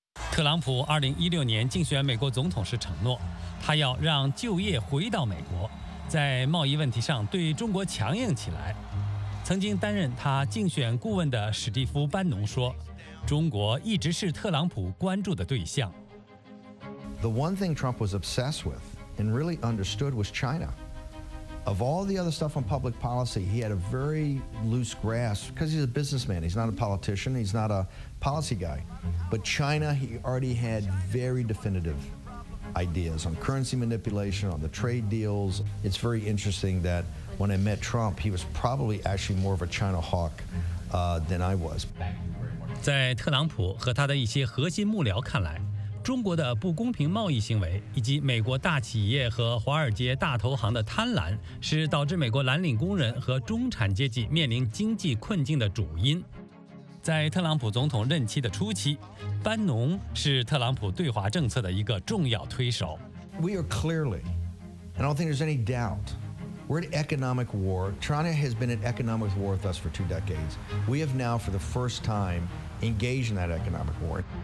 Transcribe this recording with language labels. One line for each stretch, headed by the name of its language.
Chinese: 特朗普2016年竞选美国总统时承诺，他要让就业回到美国，在贸易问题上对中国强硬起来。曾经担任他竞选顾问的史蒂夫·班农说，中国一直是特朗普关注的对象。
English: The one thing Trump was obsessed with and really understood was China. Of all the other stuff on public policy, he had a very loose grasp because he's a businessman. He's not a politician. He's not a policy guy. But China, he already had very definitive ideas on currency manipulation, on the trade deals. It's very interesting that when I met Trump, he was probably actually more of a China hawk, than I was.
Chinese: 在特朗普和他的一些核心幕僚看来，中国的不公平贸易行为以及美国大企业和华尔街大投行的贪婪是导致美国蓝领工人和中产阶级面临经济困境的主因。在特朗普总统任期的初期，班农是特朗普对华政策的一个重要推手。
English: We are clearly, and I don't think there's any doubt, we're in economic war. China has been in economic war with us for 2 decades. We have now for the first time engaged in that economic war.